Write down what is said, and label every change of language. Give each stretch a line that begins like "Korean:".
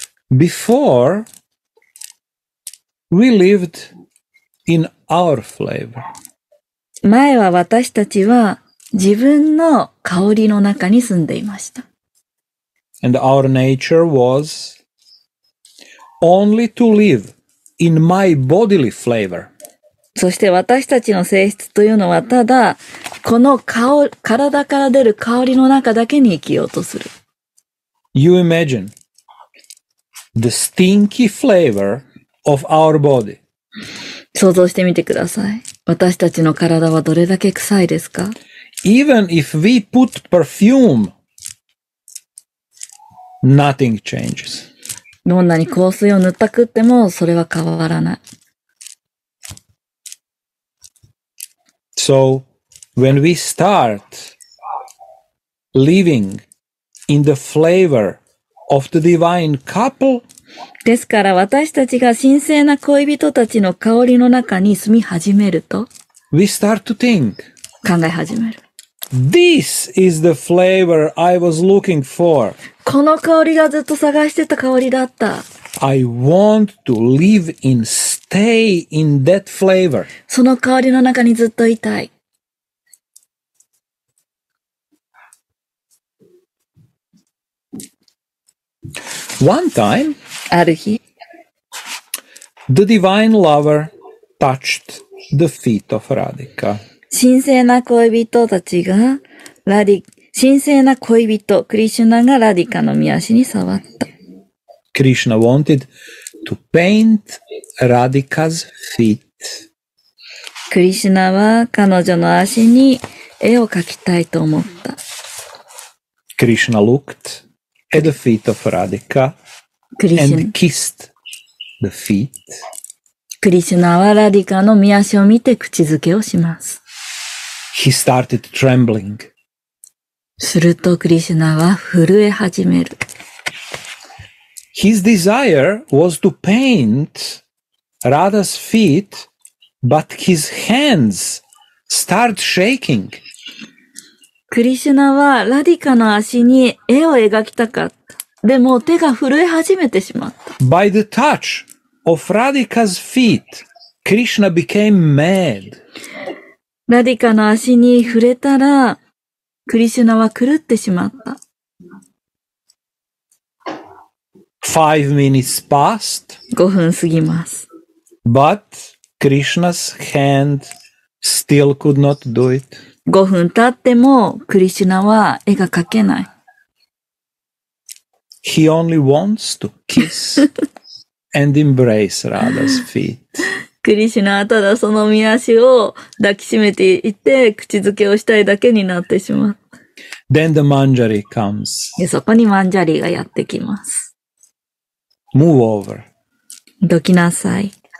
English: Before we lived in our flavor.
Japanese: 前は私たちは自分の香りの中に住んでいました。
English: And our nature was only to live in my bodily flavor.
Japanese: そして私たちの性質というのはただこの香体から出る香りの中だけに生きようとする。
English: You imagine the stinky flavor of our body.
Japanese: 想像してみてください。私たちの体はどれだけ臭いですか?
English: Even if we put perfume, nothing changes.
Japanese: どんなに香水を塗ったくってもそれは変わらない。
English: So, when we start living in the flavor of the divine couple,
Japanese: ですから私たちが神聖な恋人たちの香りの中に住み始めると、
English: we start to think.
Japanese: 考え始める。
English: This is the flavor I was looking for.
Japanese: この香りがずっと探してた香りだった。
English: I want to live in, stay in that flavor.
Japanese: その香りの中にずっといたい。
English: One time,
Japanese: ある日、
English: the divine lover touched the feet of Radhika.
Japanese: 神聖な恋人たちが、神聖な恋人、クリシュナがラディカの御足に触った。
English: クリシュナ wanted to paint Radhika's feet.
Japanese: クリシュナは彼女の足に絵を描きたいと思った。
English: クリシュナ looked at the feet of Radhika and kissed the feet.
Japanese: クリシュナはラディカの御足を見て口づけをします。
English: He started trembling.
Japanese: するとクリシュナは震え始める。
English: His desire was to paint Radha's feet, but his hands started shaking.
Japanese: クリシュナはラディカの足に絵を描きたかった。でも手が震え始めてしまった。
English: By the touch of Radhika's feet, Krishna became mad.
Japanese: ラディカの足に触れたら、クリシュナは狂ってしまった。
English: 5 minutes passed.
Japanese: 5分過ぎます。
English: But Krishna's hand still could not do it.
Japanese: 5分経ってもクリシュナは絵が描けない。
English: He only wants to kiss and embrace Radha's feet.
Japanese: クリシュナはただその身足を抱きしめていて口づけをしたいだけになってしまう。
English: Then the Manjari comes.
Japanese: で、そこにマンジャリがやってきます。
English: Move over.
Japanese: どきなさい。